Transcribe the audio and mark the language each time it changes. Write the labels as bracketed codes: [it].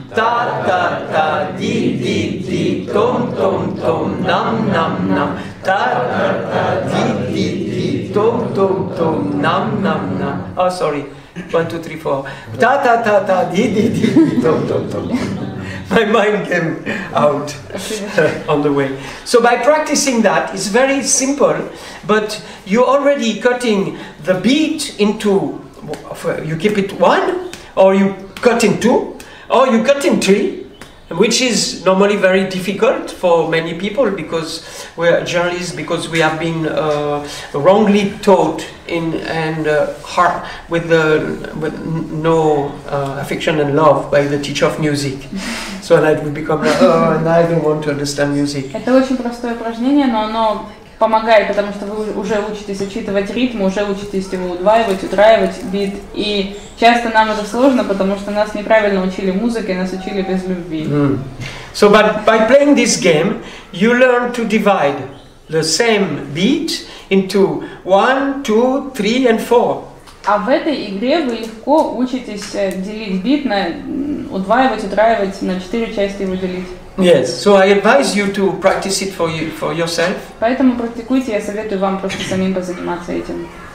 [en] Ta ta ta di di di tom tom tom nam nam nam. Ta ta ta di di di tom tom tom nam nam nam. Oh sorry, 1 2 3 4. Ta ta ta ta di di di tom tom tom. My mind came out on the way. So by practicing that, it's very simple, but you already cutting the beat into, you keep it one, or you cut in two, or you cut in three, which is normally very difficult for many people because we are journalists, because we have been wrongly taught in and heart with no affection and love by the teacher of music. So that we become like, oh, and I don't want to understand music. [ru] Это очень простое упражнение, но оно помогает, потому что вы уже учитесь отчитывать ритм, уже учитесь его удваивать, утраивать бит. И часто нам это сложно, потому что нас неправильно учили музыке, нас учили без любви. Mm. [en] So, but by playing this game, you learn to divide the same beat into one, two, three, and four. [ru] А в этой игре вы легко учитесь делить бит на удваивать, утраивать, на четыре части его делить. [en] Yes, so I advise you to practice it for you, for yourself. [ru] Поэтому практикуйте, я советую вам просто самим позаниматься этим.